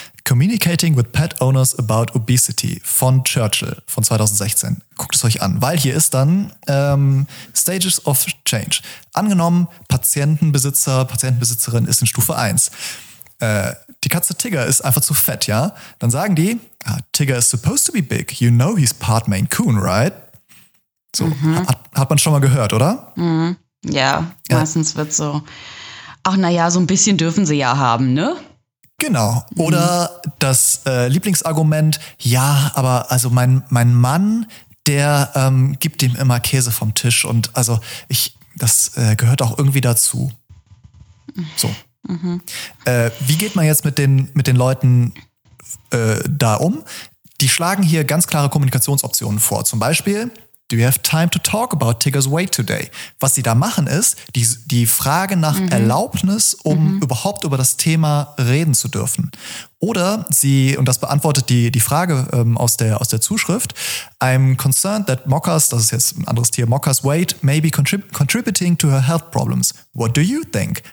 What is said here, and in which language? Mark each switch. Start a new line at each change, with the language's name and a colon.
English: Communicating with Pet Owners About Obesity
German: von Churchill von 2016. Guckt es euch an, weil hier ist dann Stages of Change. Angenommen, Patientenbesitzer, Patientenbesitzerin ist in Stufe 1. Die Katze Tigger ist einfach zu fett, ja. Dann sagen die,
English: Tigger is supposed to be big. You know he's part Maine Coon, right?
German: So, hat man schon mal gehört, oder? Mhm. Ja, ja, meistens wird so, ach naja, so ein bisschen dürfen sie ja haben, ne? Genau. Oder das Lieblingsargument, ja, aber also mein Mann, der gibt dem immer Käse vom Tisch, und also ich, das gehört auch irgendwie dazu. So. Mhm. Wie geht man jetzt mit den Leuten da um? Die schlagen hier ganz klare Kommunikationsoptionen vor. Zum Beispiel,
English: do you have time to talk about Tigger's weight today?
German: Was sie da machen ist, die Frage nach Erlaubnis, um überhaupt über das Thema reden zu dürfen. Oder sie, und das beantwortet die Frage aus der Zuschrift,
English: I'm concerned that Mokka's,
German: das ist jetzt ein anderes Tier,
English: Mokka's weight may be contributing to her health problems. What do you think?